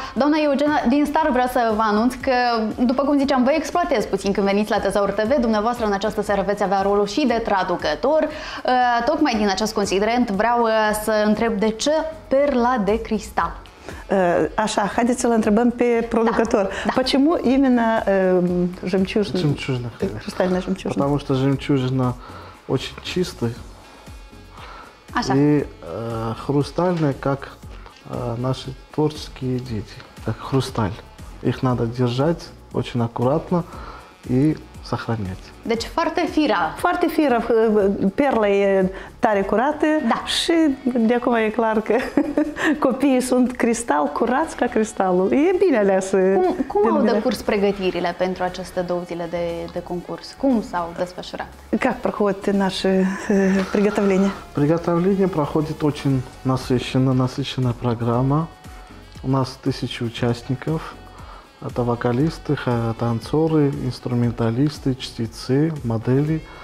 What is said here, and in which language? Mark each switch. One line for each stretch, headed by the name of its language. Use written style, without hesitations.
Romanian: Doamna Eugenia, din start vreau să vă anunț că, după cum ziceam, vă exploatez puțin când veniți la Tazaur TV. Dumneavoastră în această seară veți avea rolul și de traducător. Tocmai din acest considerent vreau să întreb de ce Perla de Cristal? Așa, haideți să-l întrebăm pe producător. Da, da.
Russian: Почему именно жемчужина? Жемчужина. Кристальная жемчужина. Потому что жемчужина очень чистая.
Romanian: Așa.
Russian: И хрустальная, как наши творческие дети, как хрусталь. Их надо держать очень аккуратно и сохранять.
Romanian: Deci foarte fira. Foarte fira. Perla e tare curată. Da. Și de acum e clar că copiii sunt cristal, curați ca cristalul. E bine aleasă. Cum au decurs pregătirile pentru aceste două zile de concurs? Cum s-au desfășurat?
Russian: Как проходят наши приготовления? Приготовление проходит очень насыщенно, насыщенная программа. У нас 1000 участников. Это вокалисты, танцоры, инструменталисты, чтецы, модели.